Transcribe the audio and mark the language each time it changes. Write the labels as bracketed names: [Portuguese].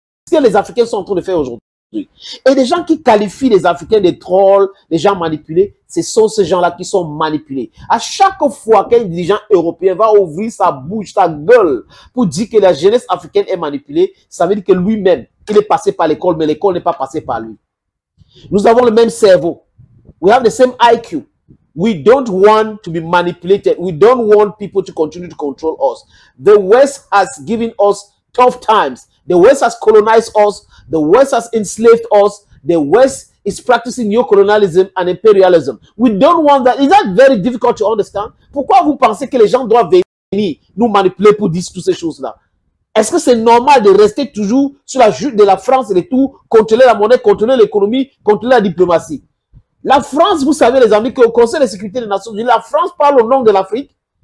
[French] Que les Africains sont en train de faire aujourd'hui. Et les gens qui qualifient les Africains de trolls, les gens manipulés, ce sont ces gens-là qui sont manipulés. À chaque fois qu'un dirigeant européen va ouvrir sa bouche, sa gueule, pour dire que la jeunesse africaine est manipulée, ça veut dire que lui-même, il est passé par l'école, mais l'école n'est pas passée par lui. Nous avons le même cerveau. [English] We have the same IQ. We don't want to be manipulated. We don't want people to continue to control us. The West has given us tough times. The West has colonized us. The West has enslaved us. The West is practicing neo-colonialism and imperialism. We don't want that. Is that very difficult to understand? [French] Pourquoi vous pensez que les gens doivent venir nous manipuler pour dire toutes ces choses-là? Est-ce que c'est normal de rester toujours sur la jupe de la France et de tout, contrôler la monnaie, contrôler l'économie, contrôler la diplomatie? La France, vous savez les amis, qu'au Conseil de sécurité des Nations Unies, la France parle au nom de l'Afrique.